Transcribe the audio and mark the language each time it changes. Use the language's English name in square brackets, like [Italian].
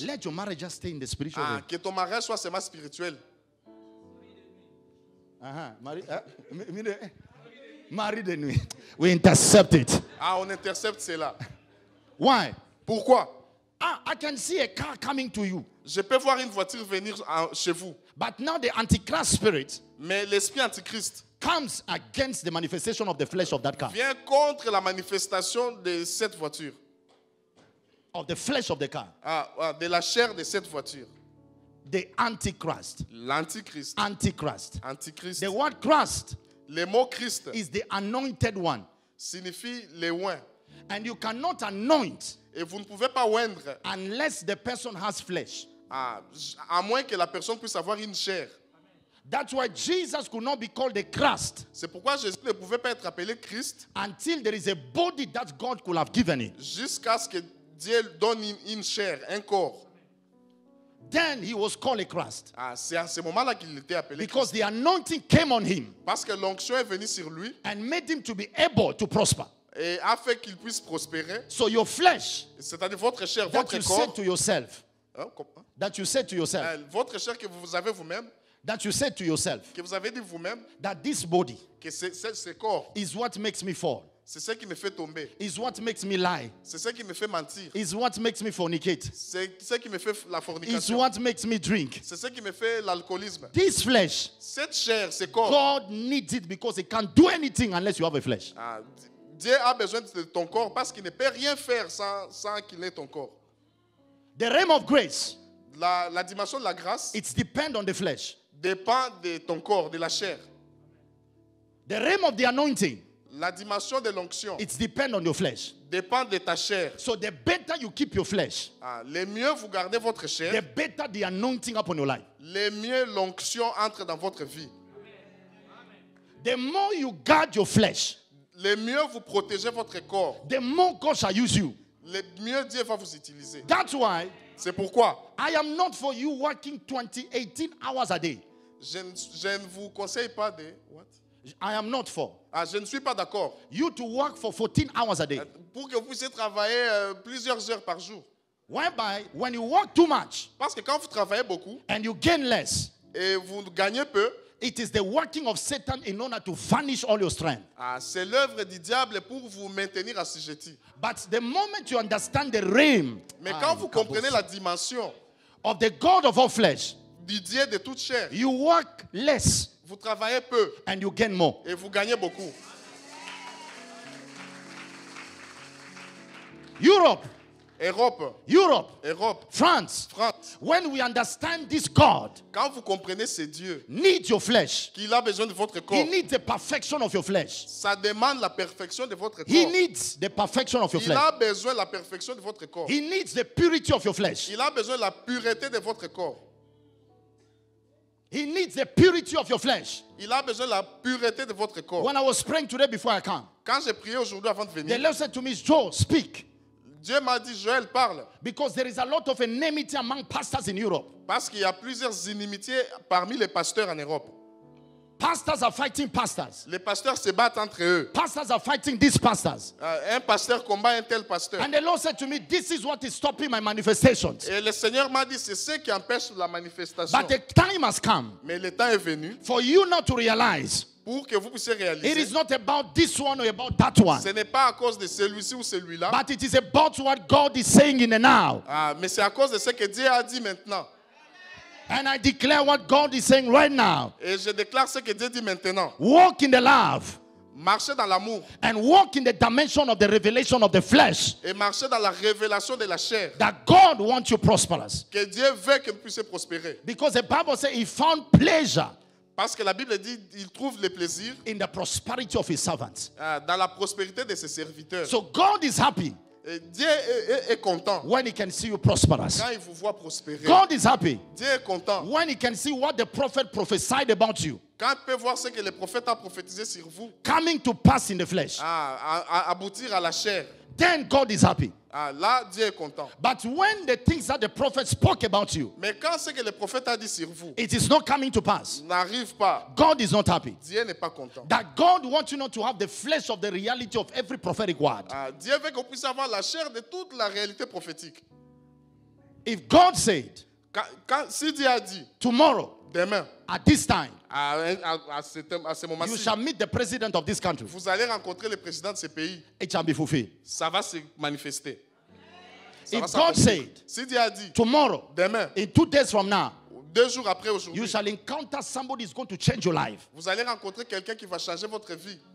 [English] Let your marriage just stay in the spiritual. [French] Ah, que ton mariage soit seulement spirituel. Marie de nuit. [English] We intercept it. [French] On intercepte cela. [English] Why? [French] Pourquoi? [English] I can see a car coming to you. [French] Je peux voir une voiture venir chez vous. [English] But now the Antichrist spirit. [French] Mais l'esprit antichrist [English] comes against the manifestation of the flesh of that car. [French] Vient contre la manifestation de cette voiture. [English] Of the flesh of the car. [French] De la chair de cette voiture. [English] The Antichrist. [French] L'antichrist. [English] Antichrist. [French] Antichrist. [English] The word Christ. [French] Le mot Christ [English] is the anointed one. [French] Signifie le oint. [English] And you cannot anoint. [French] Et vous ne pouvez pas oindre. [English] Unless the person has flesh. [French] À moins que la personne puisse avoir une chair. [English] That's why Jesus could not be called the Christ. [French] C'est pourquoi Jésus ne pouvait pas être appelé Christ. [English] Until there is a body that God could have given him. [French] Jusqu'à ce que Dieu donne une chair, un corps. [English] Then he was called a Christ. [French] C'est à ce moment-là qu'il était appelé. [English] Because the anointing came on him. [French] Parce que l'onction est venue sur lui. [English] And made him to be able to prosper. [French] Et a fait qu'il puisse prospérer. [English] So your flesh. [French] C'est-à-dire votre chair, [English] that [French] votre [English] you [French] corps. [English] Said to yourself, that you said to yourself. [French] Votre chair que vous avez vous-même. [English] That you said to yourself. [French] Que vous avez dit vous-même. [English] That this body. [French] Que ce corps. [English] Is what makes me fall. [French] C'est ce qui me fait tomber. [English] Is what makes me lie. [French] C'est ce qui me fait mentir. [English] Is what makes me fornicate. [French] C'est ce qui me fait la fornication. [English] Is what makes me drink. [French] C'est ce qui me fait l'alcoolisme. [English] This flesh. [French] Cette chair, ce corps. [English] God needs it because it can't do anything unless you have a flesh. [French] Dieu a besoin de ton corps parce qu'il ne peut rien faire sans qu'il ait ton corps. [English] The realm of grace. [French] La dimension de la grâce. [English] It depends on the flesh. [French] Dépend de ton corps, de la chair. [English] The realm of the anointing. [French] La dimension de l'onction. [English] It depends on your flesh. [French] Dépend de ta chair. [English] So the better you keep your flesh. [French] Le mieux vous gardez votre chair. [English] The better the anointing upon your life. [French] Le mieux l'onction entre dans votre vie. [English] Amen. The more you guard your flesh. [French] Le mieux vous protégez votre corps. [English] The more God shall use you. [French] Le mieux Dieu va vous utiliser. [English] That's why. [French] C'est pourquoi. [English] I am not for you working 18 hours a day. [French] Je ne vous conseille pas de [English] what? I am not for. [French] Je ne suis pas d'accord. [English] You to work for 14 hours a day. [French] Pour que vous puissiez travailler plusieurs heures par jour. [English] Whereby, when you work too much. [French] Parce que quand vous travaillez beaucoup. [English] And you gain less. [French] Et vous gagnez peu. [English] It is the working of Satan in order to vanish all your strength. [French] C'est l'œuvre du diable pour vous maintenir assujetti. [English] But the moment you understand the realm. [French] Mais quand vous comprenez la dimension. [English] Of the God of all flesh. [French] Du Dieu de toute chair. [English] You work less. [French] Vous travaillez peu. [English] And you gain more. [French] Et vous gagnez beaucoup. [English] Europe. [French] Europe. [English] Europe. [French] Europe. [English] France. [French] France. [English] When we understand this God. [French] Quand vous comprenez ce Dieu. [English] Need your flesh. [French] Qu'il a besoin de votre corps. [English] He needs the perfection of your flesh. [French] Ça demande la perfection de votre corps. [English] He needs the perfection of your flesh. [French] Il a besoin de la perfection de votre corps. [English] He needs the purity of your flesh. [French] Il a besoin de la pureté de votre corps. [English] He needs the purity of your flesh. [French] Il a besoin de la pureté de votre corps. [English] When I was praying today before I came. [French] Quand j'ai prié aujourd'hui avant de venir. [English] The Lord said to me, Joe, speak. [French] Dieu m'a dit, Joël, parle. [English] Because there is a lot of enmity among pastors in Europe. [French] Parce qu'il y a plusieurs inimitiés parmi les pasteurs en Europe. [English] Pastors are fighting pastors. [French] Les pasteurs se battent entre eux. [English] Pastors are fighting these pastors. [French] Un pasteur combat un tel pasteur. [English] And the Lord said to me, this is what is stopping my manifestations. [French] Et le Seigneur m'a dit, c'est ce qui empêche la manifestation. [English] But the time has come. [French] Mais le temps est venu. [English] For you not to realize. [French] Pour que vous puissiez réaliser. [English] It is not about this one or about that one. [French] Ce n'est pas à cause de celui-ci ou celui-là. [English] But it is about what God is saying in the now. [French] Mais c'est à cause de ce que Dieu a dit maintenant. [English] And I declare what God is saying right now. [French] Et je déclare ce que Dieu dit maintenant. [English] Walk in the love. [French] Marchez dans l'amour. [English] And walk in the dimension of the revelation of the flesh. [French] Et marchez dans la révélation de la chair. [English] That God wants you prosperous. [French] Que Dieu veut que vous puissiez prospérer. [English] Because the Bible says he found pleasure. [French] Parce que la Bible dit il trouve le plaisir. [English] In the prosperity of his servants. [French] Dans la prospérité de ses serviteurs. [English] So God is happy. [French] Dieu est content. [English] When he can see you prosperous. [French] Quand il vous voit prospérer. [English] God is happy. [French] Dieu est content. [English] When he can see what the prophet prophesied about you. [French] Quand il peut voir ce que le prophète a prophétisé sur vous. [English] Coming to pass in the flesh. [French] Aboutir à la chair. [English] Then God is happy. [French] Là, Dieu est content. [English] But when the things that the prophet spoke about you. [French] Mais quand ce que le prophète a dit sur vous. [English] It is not coming to pass. [French] N'arrive pas. [English] God is not happy. [French] Dieu n'est pas content. [English] That God wants you not to have the flesh of the reality of every prophetic word. [French] Dieu veut que vous puissiez avoir la chair de toute la réalité prophétique. [English] If God said. [French] Si Dieu a dit. [English] Tomorrow. [French] Demain. [English] At this time. [French] À ce moment-ci. [English] You shall meet the president of this country. [French] Vous allez rencontrer le président de ce pays. [English] It shall be fulfilled. [French] Ça va se manifester. [English] If God said, [French] si Dieu a dit, [English] tomorrow, [French] demain, [English] in 2 days from now, [French] 2 jours après aujourd'hui, [English] you shall encounter somebody who is going to change your life. [French] Vous allez rencontrer quelqu'un qui va changer votre vie.